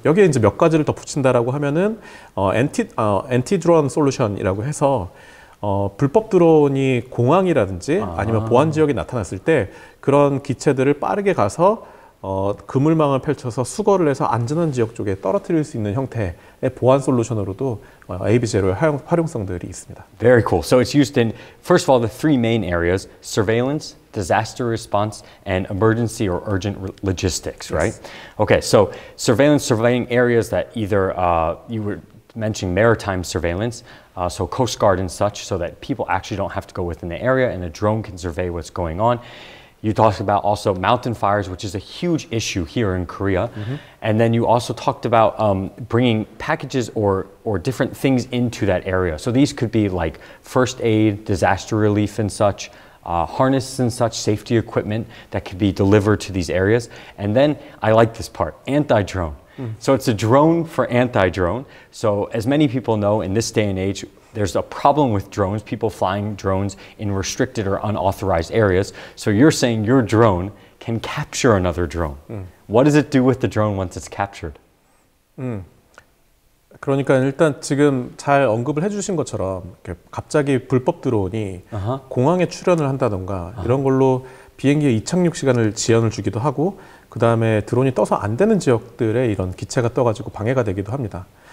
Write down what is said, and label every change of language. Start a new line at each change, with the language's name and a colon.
Korean: 여기에 이제 몇 가지를 더 붙인다라고 하면은 엔티드론 솔루션이라고 해서 불법 드론이 공항이라든지 아니면 보안 지역에 나타났을 때 그런 기체들을 빠르게 가서 그물망을 펼쳐서 수거를 해서 안전한 지역 쪽에 떨어뜨릴 수 있는 형태의 보안 솔루션으로도 AB0의 활용성들이 있습니다.
English: Very cool. So it's used in, first of all, the three main areas, surveillance, disaster response, and emergency or urgent logistics, right? Yes. Okay, so surveillance, surveying areas that either, you were mentioning maritime surveillance, so Coast Guard and such, so that people actually don't have to go within the area and a drone can survey what's going on. You talked about also mountain fires, which is a huge issue here in Korea. And then you also talked about bringing packages or different things into that area. So these could be like first aid, disaster relief and such, harness and such, safety equipment that could be delivered to these areas. And then I like this part, anti-drone. So it's a drone for anti-drone. So as many people know, in this day and age, there's a problem with drones, people flying drones in restricted or unauthorized areas. So you're saying your drone can capture another drone. What does it do with the drone once it's captured?
Korean: 그러니까 일단 지금 잘 언급을 해주신 것처럼 이렇게 갑자기 불법 드론이 공항에 출현을 한다던가 이런 걸로 비행기의 이착륙 시간을 지연을 주기도 하고 그 다음에 드론이 떠서 안 되는 지역들에 이런 기체가 떠가지고 방해가 되기도 합니다.